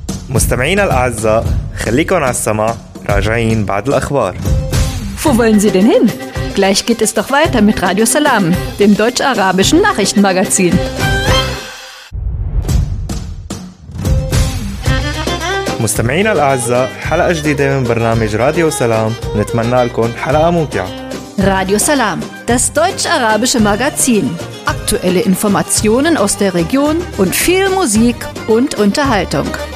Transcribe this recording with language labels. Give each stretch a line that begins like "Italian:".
Arabic: مستمعينا الأعزاء خليكم على السماع راجعين بعد الأخبار.
German: Wo wollen Sie denn hin? Gleich geht es doch weiter mit Radio Salam, dem deutsch-arabischen Nachrichtenmagazin.
Arabic: مستمعينا الأعزاء حلقة جديدة من برنامج راديو سلام نتمنى لكم حلقة ممتعة.
German: Radio Salam, das deutsch-arabische Magazin. Aktuelle Informationen aus der Region und viel Musik und Unterhaltung.